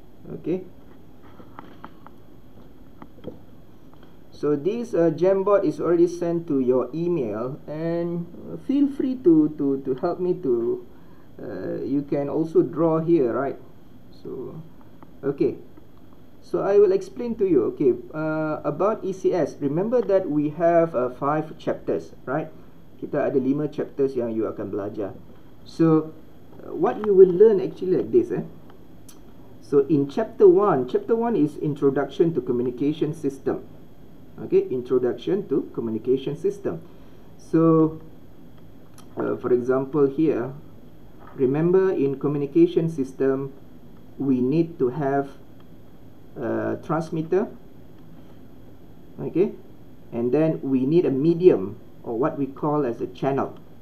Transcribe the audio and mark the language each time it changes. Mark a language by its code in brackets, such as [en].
[en] Okay, so this Jamboard is already sent to your email, and feel free to help me to you can also draw here, right? So okay, so I will explain to you, okay, about ECS. Remember that we have 5 chapters, right? [ms] Kita ada 5 chapters yang you akan belajar. [en] So what you will learn actually like this, so in chapter 1 is introduction to communication system. Okay, introduction to communication system. So for example here, remember in communication system we need to have transmitter, okay, and then we need a medium, or what we call as a channel.